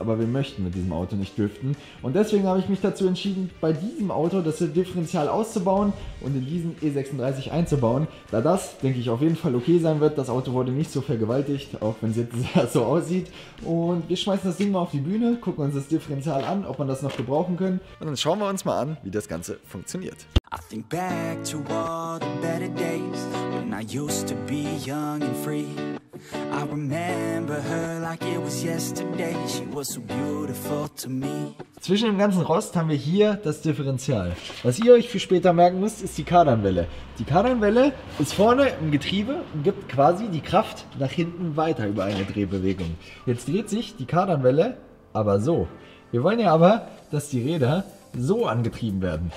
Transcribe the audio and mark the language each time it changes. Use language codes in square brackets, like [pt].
[de] Aber wir möchten mit diesem Auto nicht driften. Und deswegen habe ich mich dazu entschieden, bei diesem Auto das Differential auszubauen und in diesen E36 einzubauen. Da das, denke ich, auf jeden Fall okay sein wird. Das Auto wurde nicht so vergewaltigt, auch wenn es jetzt so aussieht. Und wir schmeißen das Ding mal auf die Bühne, gucken uns das Differential an, ob man das noch gebrauchen kann. Und dann schauen wir uns mal an, wie das Ganze funktioniert. [en] I think back to all the better days when I used to be young and free. I remember her like it was yesterday. She was so beautiful to me. [de] Zwischen dem ganzen Rost haben wir hier das Differential. Was ihr euch für später merken müsst, ist die Kardanwelle. Die Kardanwelle ist vorne im Getriebe und gibt quasi die Kraft nach hinten weiter über eine Drehbewegung. Jetzt dreht sich die Kardanwelle aber so. Wir wollen ja aber, dass die Räder so angetrieben werden.